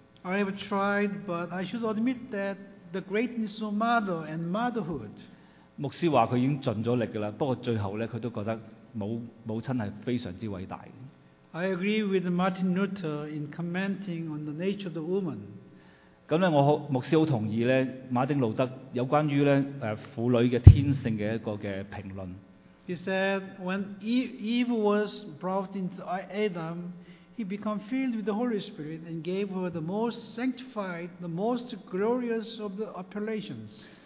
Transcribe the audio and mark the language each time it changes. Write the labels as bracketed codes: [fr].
[en] I have tried, but I should admit that the greatness of mother and motherhood. [zh] 牧師說他已經盡了力了，不過最後他都覺得母親是非常偉大。 [en] I agree with Martin Luther in commenting on the nature of the woman. [zh] 牧師很同意馬丁路德有關於婦女天性的一個評論。 [en] He said, when Eve was brought into Adam, he became filled with the Holy Spirit and gave her the most sanctified, the most glorious of the appellations.